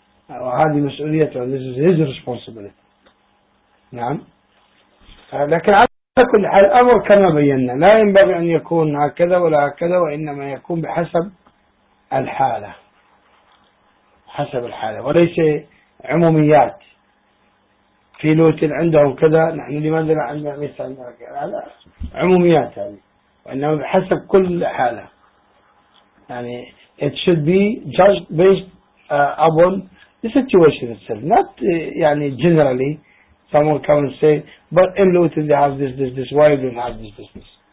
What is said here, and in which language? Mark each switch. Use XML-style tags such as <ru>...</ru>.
<ar>وهذه مسؤوليته,</ar> <en>and this is his responsibility.</en> <ar>نعم. لكن فكل الأمر كما بينا لا ينبغي أن يكون هكذا ولا هكذا, وإنما يكون بحسب الحالة, حسب الحالة وليس عموميات. في لوت عندهم كذا, نحن لماذا لا عندنا مثل عموميات هذه, وإنما بحسب كل حالة. يعني</ar> <en>it should be judged based upon the situation itself, not generally. Someone come and say, but in Luton they have this, why you don't have this business?</en>